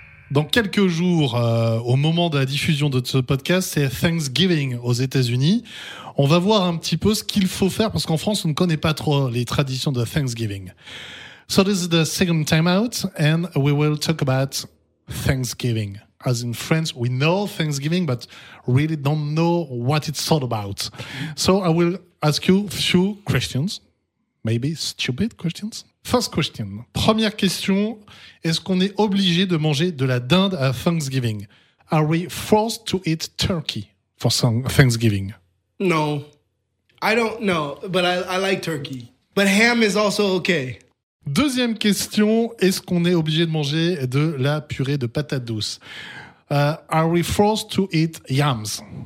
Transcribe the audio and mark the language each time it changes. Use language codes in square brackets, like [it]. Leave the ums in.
[fr] Dans quelques jours, euh, au moment de la diffusion de ce podcast, c'est Thanksgiving aux États-Unis. On va voir un petit peu ce qu'il faut faire parce qu'en France, on ne connaît pas trop les traditions de Thanksgiving. [en] So this is the second time out, and we will talk about Thanksgiving. As in France, we know Thanksgiving, but really don't know what it's all about. So I will ask you few questions, maybe stupid questions. First question. [fr] Première question. Est-ce qu'on est obligé de manger de la dinde à Thanksgiving? [en] Are we forced to eat turkey for some- Thanksgiving? no. I don't know, but I, I like turkey. But ham is also okay. [fr] Deuxième question, est-ce qu'on est obligé de manger de la purée de patates douces Euh, [en] Are we forced to eat yams